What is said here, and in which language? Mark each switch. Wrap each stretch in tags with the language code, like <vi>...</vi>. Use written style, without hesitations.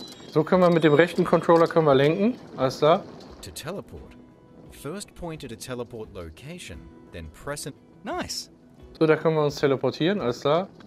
<de>So können wir mit dem rechten Controller können wir lenken. Alles klar.</de> <en>To teleport. First point at a teleport location, then press it. Nice.</en> <de>So, da können wir uns teleportieren, alles klar.</de>